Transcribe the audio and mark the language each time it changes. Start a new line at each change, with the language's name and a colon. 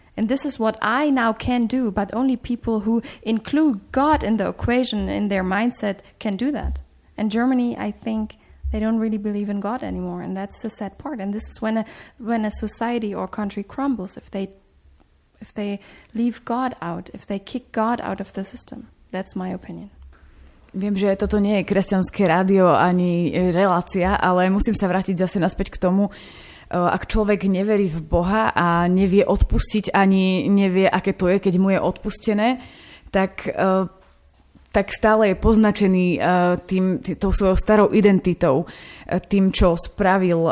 English: And this is what I now can do, but only people who include God in the equation in their mindset can do that. And Germany, I think, they don't really believe in God anymore, and that's the sad part. And this is when a society or country crumbles, if they leave God out, if they kick God out of the system. That's my opinion.
Slovak: Viem, že toto nie je kresťanské rádio ani relácia, ale musím sa vrátiť zase naspäť k tomu, ak človek neverí v Boha a nevie odpustiť, ani nevie, aké to je, keď mu je odpustené, tak tak stále je poznačený tou svojou starou identitou, tým, čo spravil.